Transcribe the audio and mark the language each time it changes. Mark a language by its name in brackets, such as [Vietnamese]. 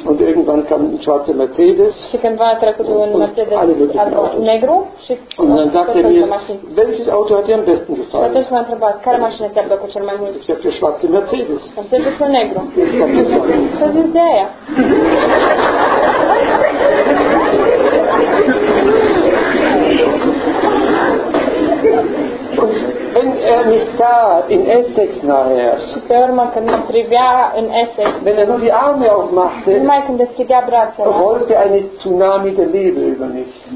[German] Und irgendwann kam ein schwarzer Mercedes. [Romanian] Și cândva a trecut un Mercedes negru. [German] Und dann sagte mir, welches Auto hat dir am besten gefallen? [Romanian] Și atunci m-a întrebat, care mașină ți-a plăcut cel mai mult? [German] Ich habe den schwarzen Mercedes. [Romanian] Mercedesul negru. Și-a zis de aia. [German] Wenn er mich sah in Essex nachher, wenn er nur die Arme aufmachte, rollte eine Tsunami der Liebe über mich.